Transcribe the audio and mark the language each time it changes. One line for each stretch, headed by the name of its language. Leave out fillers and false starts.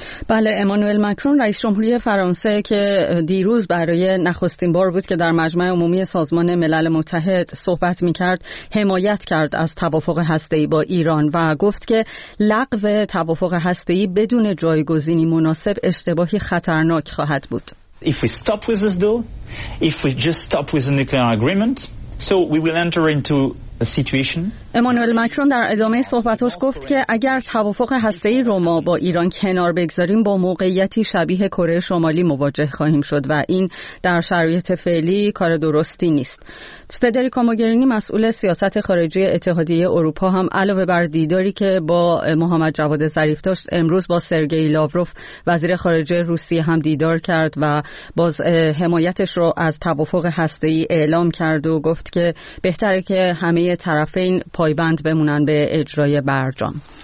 Persian: بله، ایمانوئل مکرون رئیس جمهوری فرانسه که دیروز برای نخستین بار بود که در مجمع عمومی سازمان ملل متحد صحبت می‌کرد، حمایت کرد از توافق هسته‌ای با ایران و گفت که لغو توافق هسته‌ای بدون جایگزینی مناسب اشتباهی خطرناک خواهد بود.
English: If we stop with this deal, if we just stop with the nuclear agreement, so we will enter into a situation.
Persian: ایمانوئل مکرون در ادامه صحبتش گفت که اگر توافق هسته‌ای رو ما با ایران کنار بگذاریم با موقعیتی شبیه کره شمالی مواجه خواهیم شد و این در شرایط فعلی کار درستی نیست. فدریکا موگرینی مسئول سیاست خارجی اتحادیه اروپا هم علاوه بر دیداری که با محمد جواد ظریف داشت، امروز با سرگئی لاوروف وزیر خارجه روسیه هم دیدار کرد و باز حمایتش رو از توافق هسته‌ای اعلام کرد و گفت که بهتره که همه طرفین پایبند بمونن به اجرای برجام.